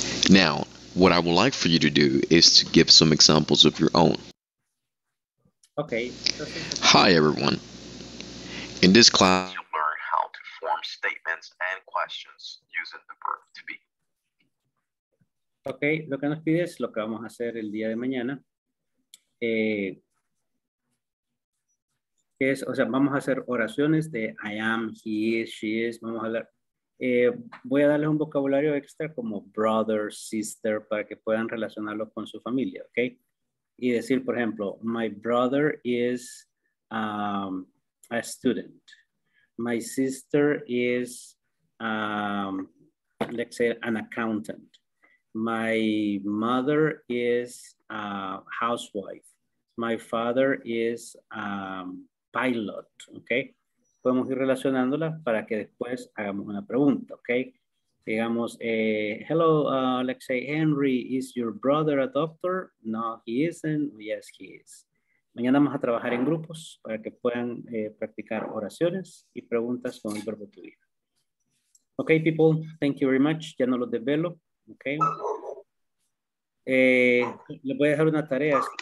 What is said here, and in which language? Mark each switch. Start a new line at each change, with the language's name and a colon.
English: Now, what I would like for you to do is to give some examples of your own. Okay. Hi, everyone. In this class, you'll learn how to form statements and questions using the verb to be.
Spanish: Okay, lo que nos pides, lo que vamos a hacer el día de mañana, es, o sea, vamos a hacer oraciones de
English: I am, he is, she is,
Spanish: vamos a hablar. Voy a darles un vocabulario extra como brother, sister, para que puedan relacionarlo con su familia, ¿ok? Y decir, por ejemplo,
English: my brother is a student. My sister is, let's say, an accountant. My mother is a housewife. My father is a pilot, ¿ok?
Spanish: Podemos ir relacionándolas para que después hagamos una pregunta, ¿ok? Digamos,
English: hello, let's say, Henry, is your brother a doctor? No, he isn't. Yes, he is.
Spanish: Mañana vamos a trabajar en grupos para que puedan practicar oraciones y preguntas con el verbo to be.
English: Ok, people, thank you very much.
Spanish: Ya no los desvelo, ¿ok? Les voy a dejar una tarea.